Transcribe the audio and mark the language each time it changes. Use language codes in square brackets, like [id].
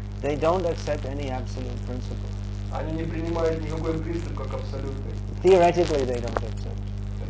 [en] They don't accept any absolute principle. [ru] Они не принимают никакой принцип как абсолютный. [en] Theoretically they don't accept.